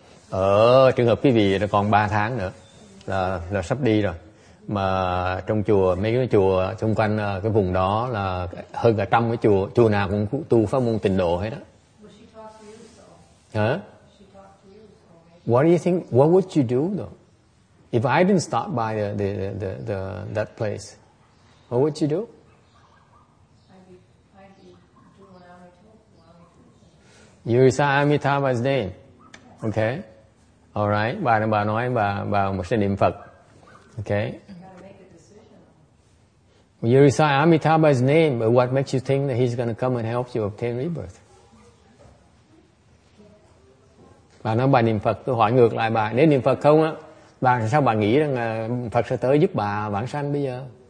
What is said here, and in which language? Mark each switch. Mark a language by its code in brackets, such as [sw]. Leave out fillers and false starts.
[vi] Ở trường hợp quý vị nó còn 3 tháng nữa là sắp đi rồi. Mà trong chùa, mấy cái chùa xung quanh cái vùng đó là hơn cả 100 cái chùa. Chùa nào cũng tu pháp môn tịnh độ hết đó. [en] What do you think, what would you do though? If I didn't stop by the that place, what would you do? You recite Amitabha's name. Okay. All right. [vi] Bà nói bà một sẽ niệm Phật. [en] Okay. You recite Amitabha's name, but what makes you think that he's going to come and help you obtain rebirth? [vi] Bà nói bà niệm Phật, tôi hỏi ngược lại bà, nếu niệm Phật không á, bà sao bà nghĩ rằng Phật sẽ tới giúp bà vãng sanh bây giờ?